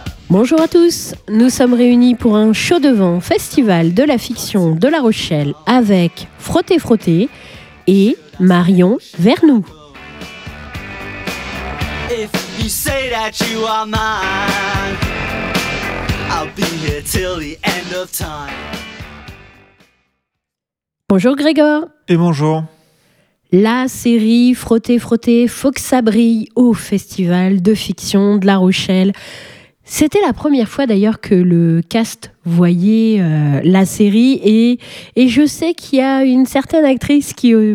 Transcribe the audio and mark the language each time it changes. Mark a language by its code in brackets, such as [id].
[fr] Bonjour à tous, nous sommes réunis pour un show devant Festival de la Fiction de La Rochelle avec Frottez Frottez et Marion Vernoux. [en] If you say that you are mine, I'll be here till the end of time. [fr] Bonjour Grégor. Et bonjour. La série Frottez Frottez, faut que ça brille au Festival de Fiction de La Rochelle. C'était la première fois d'ailleurs que le cast voyait la série et je sais qu'il y a une certaine actrice qui